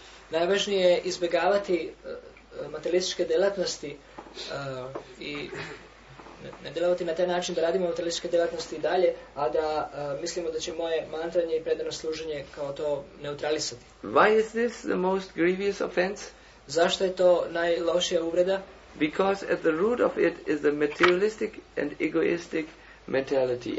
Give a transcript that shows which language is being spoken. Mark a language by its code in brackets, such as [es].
[hr] Najvažnije je izbjegavati materialističke djelatnosti i ne djelovati na taj način da radimo materialističke djelatnosti i dalje, a da mislimo da će moje mantranje i predano služenje kao to neutralisati. [en] Why is this the most grievous offense? [hr] Zašto je to najlošija uvreda? [en] Because at the root of it is the materialistic and egoistic mentality.